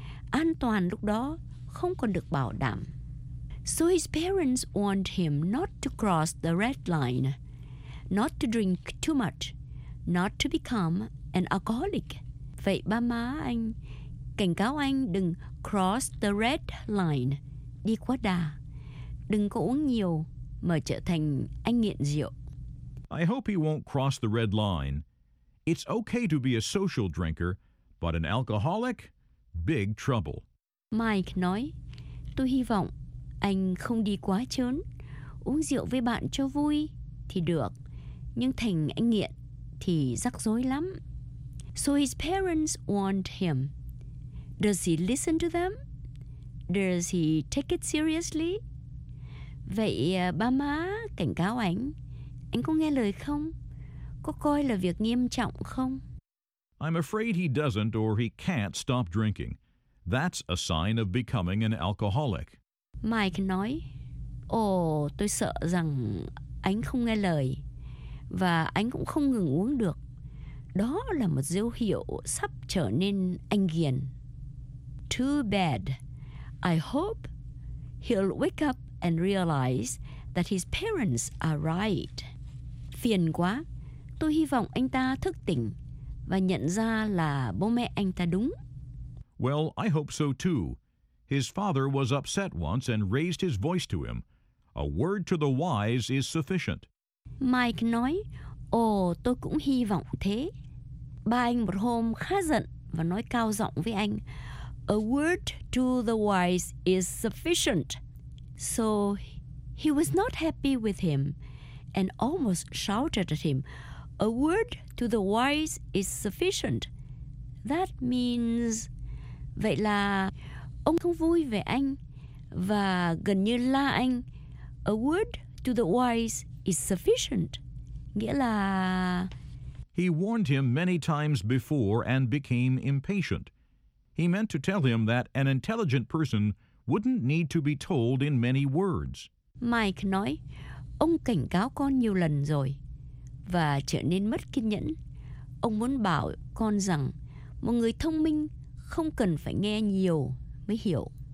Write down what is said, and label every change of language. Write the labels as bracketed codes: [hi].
[vi] An toàn lúc đó không còn được bảo đảm. [en] So his parents warned him not to cross the red line, not to drink too much, not to become an alcoholic. [vi] Vậy ba má anh cảnh cáo anh đừng [en] cross the red line, [vi] đi quá đà, đừng có uống nhiều mà trở thành anh nghiện rượu. [en] I hope he won't cross the red line. It's okay to be a social drinker, but an alcoholic? Big trouble. [vi] Mike nói, tôi hy vọng anh không đi quá chớn. Uống rượu với bạn cho vui thì được, nhưng thành anh nghiện thì rắc rối lắm. [en] So his parents warned him. Does he listen to them? Does he take it seriously? [vi] Vậy ba má cảnh cáo anh, anh có nghe lời không? Có coi là việc nghiêm trọng không? [en] I'm afraid he doesn't or he can't stop drinking. That's a sign of becoming an alcoholic. [vi] Mike nói, ồ, tôi sợ rằng anh không nghe lời và anh cũng không ngừng uống được. Đó là một dấu hiệu sắp trở nên anh nghiện. [en] Too bad. I hope he'll wake up and realize that his parents are right. [vi] Phiền quá. Tôi hy vọng anh ta thức tỉnh và nhận ra là bố mẹ anh ta đúng. [en] Well, I hope so too. His father was upset once and raised his voice to him. A word to the wise is sufficient. [vi] Mike nói, ồ, tôi cũng hy vọng thế. Ba anh một hôm khá giận và nói cao giọng với anh, [en] a word to the wise is sufficient. So he was not happy with him and almost shouted at him, a word to the wise is sufficient. That means... [vi] Vậy là ông không vui về anh và gần như la anh. [en] A word to the wise is sufficient. [vi] Nghĩa là... [en] He warned him many times before and became impatient. He meant to tell him that an intelligent person wouldn't need to be told in many words. [vi] Mike nói, ông cảnh cáo con nhiều lần rồi và trở nên mất kiên nhẫn. Ông muốn bảo con rằng một người thông minh không cần phải nghe nhiều mới hiểu.